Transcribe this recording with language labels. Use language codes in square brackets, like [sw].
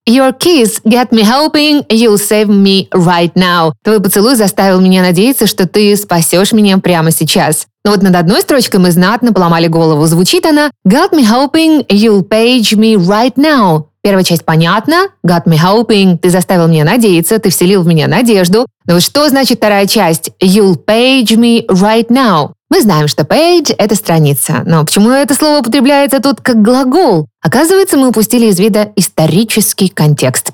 [en] Your kiss got me hoping you'll save me right now. [ru] Твой поцелуй заставил меня надеяться, что ты спасешь меня прямо сейчас. Но вот над одной строчкой мы знатно поломали голову. Звучит она. [en] Got me hoping you'll page me right now. [ru] Первая часть понятна. [en] Got me hoping. [ru] Ты заставил меня надеяться. Ты вселил в меня надежду. Но вот что значит вторая часть? [en] You'll page me right now. [ru] Мы знаем, что page – это страница. Но почему это слово употребляется тут как глагол? Оказывается, мы упустили из вида исторический контекст.